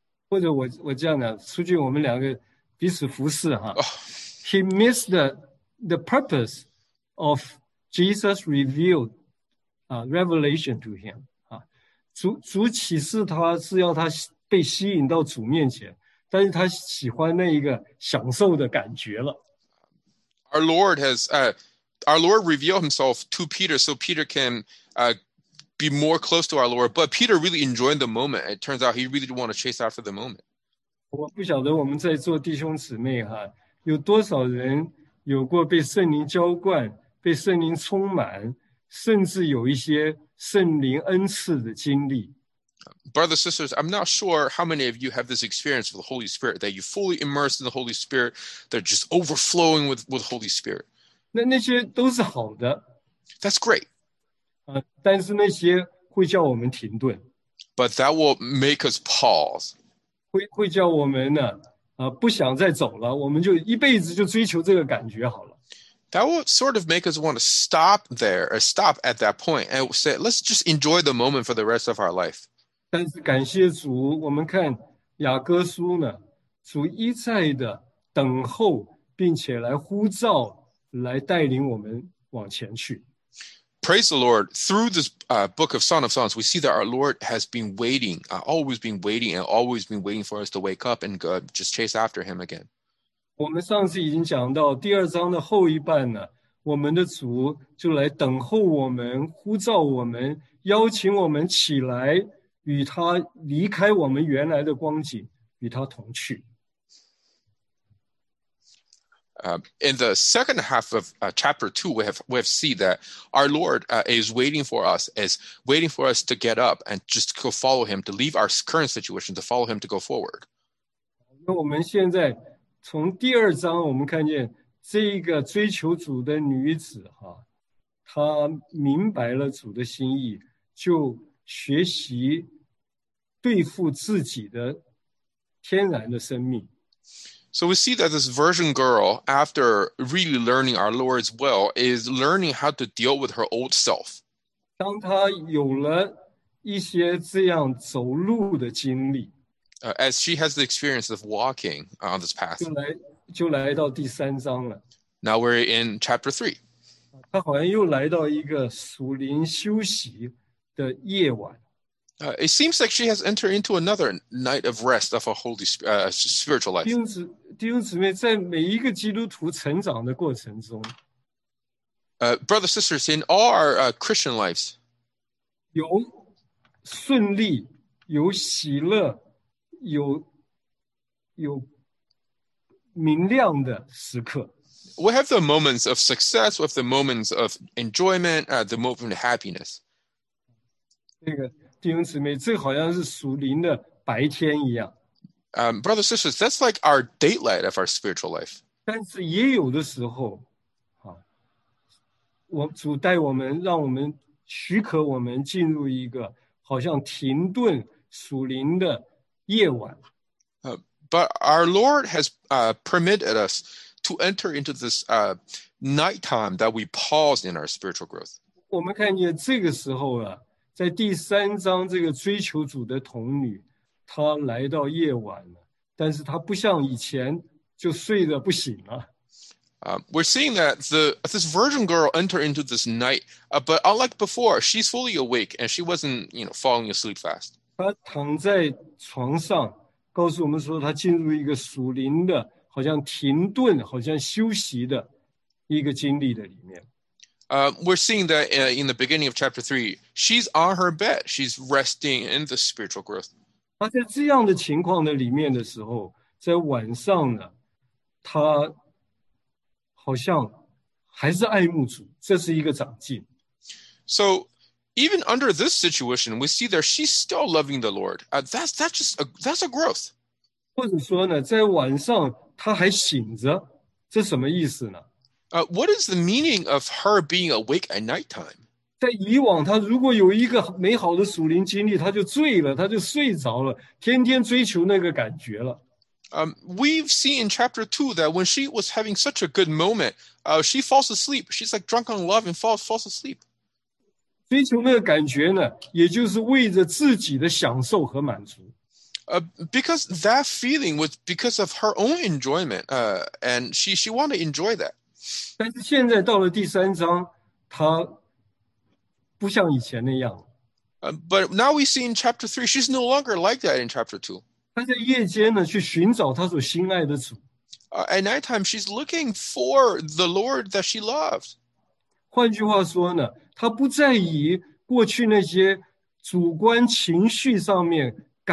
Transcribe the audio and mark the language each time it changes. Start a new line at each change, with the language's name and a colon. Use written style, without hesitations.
Chinese: 或者我这样讲，出去我们两个彼此服侍哈。
English: He missed the purpose of Jesus revealed, revelation to him.
Chinese: 啊，主启示他是要他被吸引到主面前，但是他喜欢那一个享受的感觉了。
English: Our Lord has, our Lord revealed himself to Peter so Peter can, be more close to our Lord, but Peter really enjoyed the moment. It turns out he really didn't want to chase after the moment.
Chinese: 我不晓得我们在座弟兄姊妹哈，有多少人有过被圣灵浇灌、被圣灵充满，甚至有一些圣灵恩赐的经历。
English: Brothers, sisters, I'm not sure how many of you have this experience with the Holy Spirit, that you're fully immersed in the Holy Spirit, that just overflowing with Holy Spirit.
Chinese: 那些都是好的。
English: That's great.
Chinese: 但是那些会叫我们停顿。
English: But that will make us pause.
Chinese: 会叫我们呢，不想再走了，我们就一辈子就追求这个感觉好了。
English: That will sort of make us want to stop there, or stop at that point, and say, let's just enjoy the moment for the rest of our life.
Chinese: 但是感谢主，我们看雅各书呢，主一再的等候，并且来呼召，来带领我们往前去。
English: Praise the Lord. Through this book of Song of Songs, we see that our Lord has been waiting, always been waiting, and always been waiting for us to wake up and go, just chase after him again.
Chinese: 我们上次已经讲到第二章的后一半呢，我们的主就来等候我们，呼召我们，邀请我们起来，与他离开我们原来的光景，与他同去。
English: In the second half of chapter 2, we have seen that our Lord is waiting for us to get up and just go follow him, to leave our current situation, to follow him to go forward.
Chinese: 那我们现在从第二章我们看见这个追求主的女子哈，她明白了主的心意，就学习对付自己的天然的生命。
English: So we see that this virgin girl, after really learning our Lord's will, is learning how to deal with her old self.
Chinese: 当她有了一些这样走路的经历,
English: as she has the experience of walking on this path,
Chinese: 就来到第三章了。
English: Now we're in chapter 3.
Chinese: 她好像又来到一个属灵休息的夜晚。
English: It seems like she has entered into another night of rest of a holy spiritual life.
Chinese: 弟兄姊妹，在每一个基督徒成长的过程中
English: ，brothers, sisters, in all our Christian lives,
Chinese: 有顺利，有喜乐，有明亮的时刻。
English: We have the moments of success, we have the moments of enjoyment, the moment of happiness.
Chinese: 弟兄姊妹，这好像是属灵的白天一样。
English: Brothers, sisters, that's like our daylight of our spiritual life.
Chinese: 但是也有的时候，主带我们，让我们许可我们进入一个好像停顿属灵的夜晚。
English: But our Lord has permitted us to enter into this nighttime that we pause in our spiritual growth.
Chinese: 我们看见这个时候啊，在第三章这个追求主的童女，她来到夜晚了，但是她不像以前就睡得不醒了。
English: We're seeing that this virgin girl enter into this night, but unlike before, she's fully awake and she wasn't, you know, falling asleep fast.
Chinese: 她躺在床上，告诉我们说她进入一个属灵的，好像停顿，好像休息的一个经历的里面。
English: We're seeing that in the beginning of chapter 3, she's on her bed. She's resting in the spiritual growth.
Chinese: 她在这样的情况的里面的时候，在晚上呢，她好像还是爱慕主，这是一个长进。
English: So, even under this situation, we see that she's still loving the Lord. That's a growth.
Chinese: 或者说呢，在晚上她还醒着，这什么意思呢？
English: What is the meaning of her being awake at nighttime?
Chinese: 在以往，她如果有一个美好的属灵经历，她就醉了，她就睡着了，天天追求那个感觉了。
English: We've seen in chapter 2 that when she was having such a good moment, she falls asleep. She's like drunk on love and falls asleep.
Chinese: 追求那个感觉呢, 也就是为着自己的享受和满足。
English: Because that feeling was because of her own enjoyment, and she wanted to enjoy that.
Chinese: 但是现在到了第三章, 她不像以前那样了。
English: But now we see in chapter 3, she's no longer like that in chapter 2.
Chinese: 她在夜间呢, 去寻找她所心爱的主。
English: At night time, she's looking for the Lord that she loved.
Chinese: 换句话说呢, 她不再以过去那些主观情绪上面